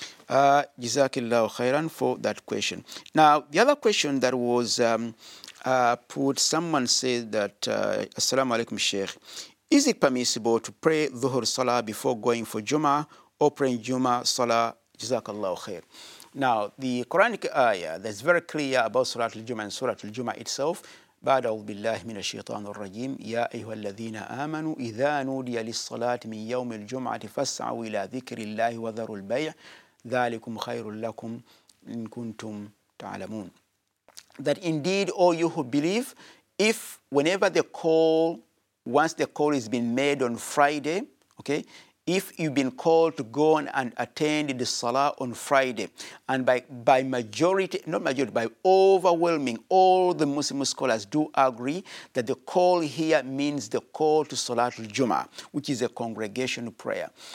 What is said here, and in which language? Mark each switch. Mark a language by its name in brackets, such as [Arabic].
[English] Jazakallahu khairan for that question. Now, the other question that was someone said that, Assalamu alaikum, Sheikh. Is it permissible to pray Dhuhr Salah before going for Jummah or praying Jummah Salah? Jazakallahu khair. Now, the Quranic ayah that's very clear about Surah Al-Jummah and Surah Al-Jummah itself. [Arabic] بعد أعوذ بالله من الشيطان الرجيم يا أيها الذين آمنوا إذا نودي للصلاة من يوم الجمعة فاسعوا إلى ذكر الله وذروا البيع ذلكم خير لكم إن كنتم تعلمون. [English] That indeed, all you who believe, if whenever the call, once the call has been made on Friday, okay, if you've been called to go on and attend the Salah on Friday, and by overwhelming, all the Muslim scholars do agree that the call here means the call to Salatul Jummah, which is a congregational prayer.